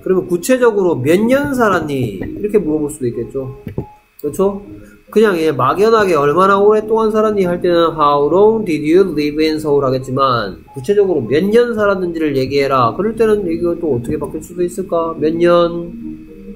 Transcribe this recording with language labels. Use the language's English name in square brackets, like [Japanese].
[Korean] 그러면 구체적으로 몇 년 살았니? 이렇게 물어볼 수도 있겠죠. 그렇죠? 그냥 이제 막연하게 얼마나 오랫동안 살았니? 할 때는 [English] How long did you live in Seoul? [Korean] 하겠지만 구체적으로 몇 년 살았는지를 얘기해라. 그럴 때는 이거 또 어떻게 바뀔 수도 있을까? 몇 년?